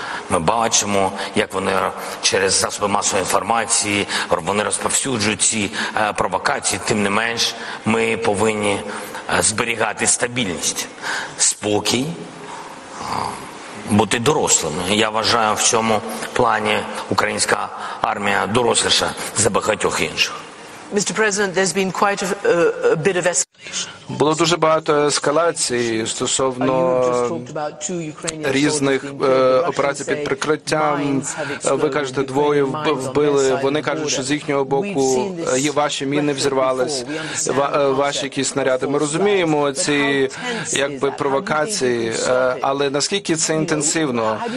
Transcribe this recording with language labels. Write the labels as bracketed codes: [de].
[uk] Ми бачимо, як вони через засоби масової інформації, вони розповсюджують ці провокації. Тим не менш, ми повинні зберігати стабільність, спокій, бути дорослими. Я вважаю, в цьому плані українська армія доросліша за багатьох інших. [en] Mr. President, there's been quite a bit of escalation. [uk] Було дуже багато ескалації стосовно різних операцій під прикриттям. Ви кажете, двоє вбили. Вони кажуть, що з їхнього боку є ваші міни взірвались, ваші якісь снаряди. Ми розуміємо ці якби провокації, але наскільки це інтенсивно?